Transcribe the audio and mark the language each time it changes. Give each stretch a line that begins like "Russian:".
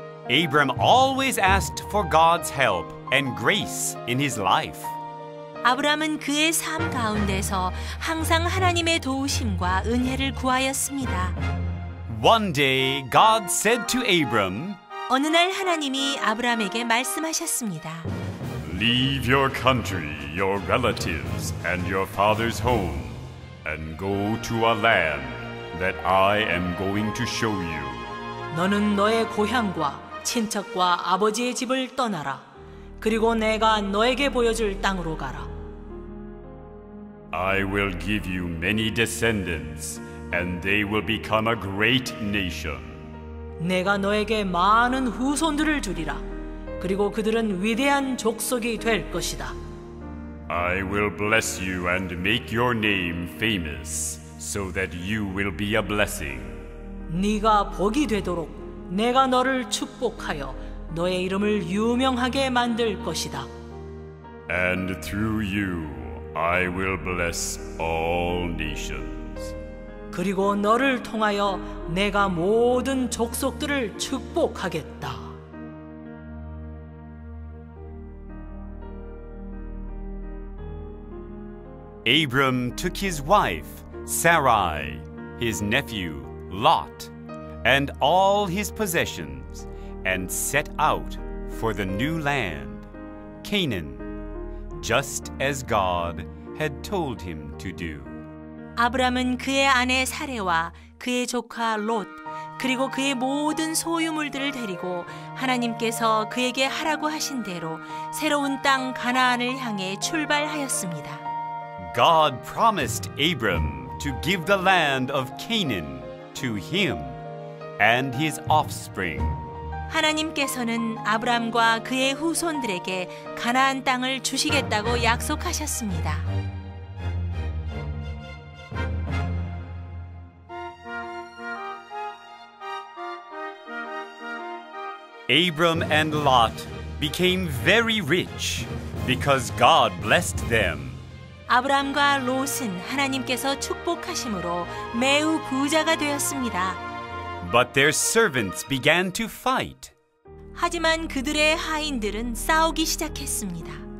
English: Abram always asked for God's help and grace in his life.
Korean: 아브라함은 그의 삶 가운데서 항상 하나님의 도우심과 은혜를 구하였습니다.
English: One day God said to Abram,
Korean: 어느 날 하나님이 아브라함에게 말씀하셨습니다.
English: Leave your country, your relatives, and your father's home, and go to a land that I am going to show you.
Korean: 너는 너의 고향과 친척과 아버지의 집을 떠나라. 그리고 내가 너에게 보여줄 땅으로 가라.
English: I will give you many descendants, and they will become a great nation.
Korean: 내가 너에게 많은 후손들을 주리라. 그리고 그들은 위대한 족속이 될 것이다.
English: I will bless you and make your name famous so that you will be a blessing.
Korean: 네가 복이 되도록 내가 너를 축복하여 너의 이름을 유명하게 만들 것이다.
English: And through you I will bless all nations.
Korean: 그리고 너를 통하여 내가 모든 족속들을 축복하겠다.
English: 아브람 took his wife, Sarai, his nephew, Lot, and all his possessions, and set out for the new land, Canaan, just as God had told him to do.
Korean: 아브람은 그의 아내 사레와 그의 조카 롯 그리고 그의 모든 소유물들을 데리고 하나님께서 그에게 하라고 하신 대로 새로운 땅 가나안을 향해 출발하였습니다.
English: God promised Abram to give the land of Canaan to him and his offspring.
Korean: 하나님께서는 아브람과 그의 후손들에게 가나안 땅을 주시겠다고 약속하셨습니다.
English: Abram and Lot became very rich because God blessed them.
Korean: 아브람과 롯은 하나님께서 축복하심으로 매우 부자가 되었습니다.
English: But their servants began to fight.
Korean: 하지만 그들의 하인들은 싸우기 시작했습니다.